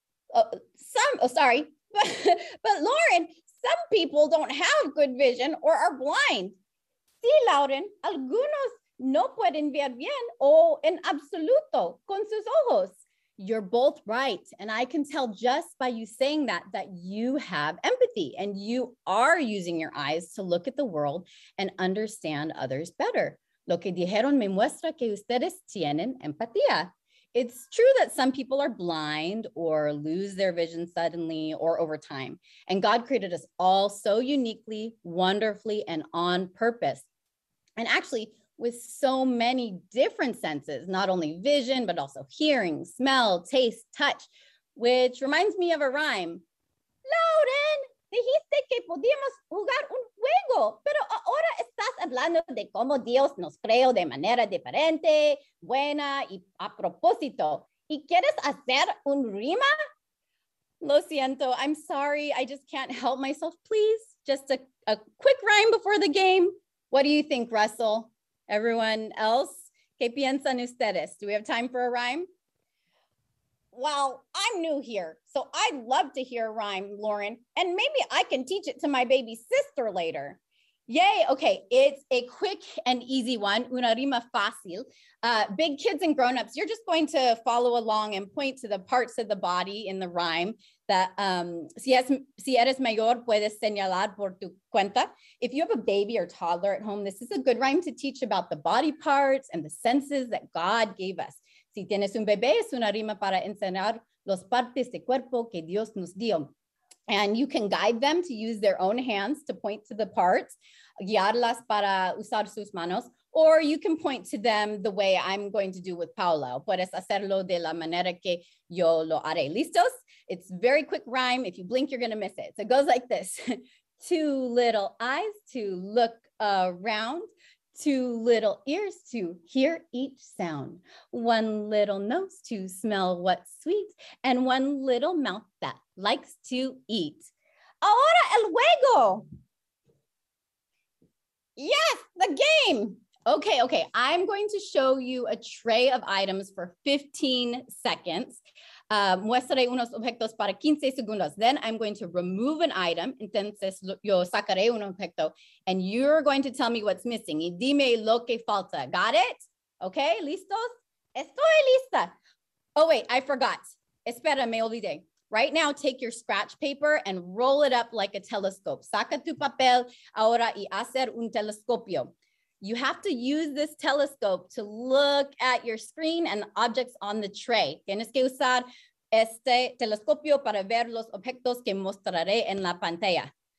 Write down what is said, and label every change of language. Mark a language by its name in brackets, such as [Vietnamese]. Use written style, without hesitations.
[English] But Lauren, some people don't have good vision or are blind. [Spanish] Sí, Lauren, algunos no pueden ver bien o en absoluto con sus ojos. [English] You're both right. And I can tell just by you saying that, that you have empathy and you are using your eyes to look at the world and understand others better. [Spanish] Lo que dijeron me muestra que ustedes tienen empatía. [English] It's true that some people are blind or lose their vision suddenly or over time. And God created us all so uniquely, wonderfully, and on purpose. And actually, with so many different senses, not only vision, but also hearing, smell, taste, touch, which reminds me of a rhyme. [Spanish] Lauren, dijiste que podíamos jugar un juego, pero ahora estás hablando de cómo Dios nos creó de manera diferente, buena y a propósito. ¿Y quieres hacer un rima? Lo siento, [English] I'm sorry, I just can't help myself, please. Just a quick rhyme before the game. What do you think, Russell? Everyone else? [Spanish] ¿Qué piensan ustedes? [English] Do we have time for a rhyme? Well, I'm new here, so I'd love to hear a rhyme, Lauren, and maybe I can teach it to my baby sister later. Yay, okay, it's a quick and easy one, [Spanish] una rima fácil. [English] Big kids and grown-ups, you're just going to follow along and point to the parts of the body in the rhyme that, [Spanish] si eres mayor, puedes señalar por tu cuenta. [English] If you have a baby or toddler at home, this is a good rhyme to teach about the body parts and the senses that God gave us. [Spanish] Si tienes un bebé, es una rima para enseñar los partes de cuerpo que Dios nos dio. [English] And you can guide them to use their own hands to point to the parts, [Spanish] guiarlas para usar sus manos, [English] or you can point to them the way I'm going to do with Paula. [Spanish] Puedes hacerlo de la manera que yo lo haré. ¿Listos? [English] It's very quick rhyme. If you blink, you're going to miss it. So it goes like this. Two little eyes to look around. Two little ears to hear each sound. One little nose to smell what's sweet. And one little mouth that likes to eat. [Spanish] Ahora el juego. [English] Yes, the game. Okay. I'm going to show you a tray of items for 15 seconds. [Spanish] Muestraré unos objetos para 15 segundos. [English] Then I'm going to remove an item. [Spanish] Entonces yo sacaré un objeto. [English] And you're going to tell me what's missing. [Spanish] Y dime lo que falta. [English] Got it? Okay, [Spanish] listos? Estoy lista. [English] Oh, wait, I forgot. [Spanish] Espera, me olvidé. [English] Right now, take your scratch paper and roll it up like a telescope. [Spanish] Saca tu papel ahora y hacer un telescopio. [English] You have to use this telescope to look at your screen and objects on the tray. [Spanish] Tienes que usar este telescopio para ver los objetos que mostraré en la pantalla.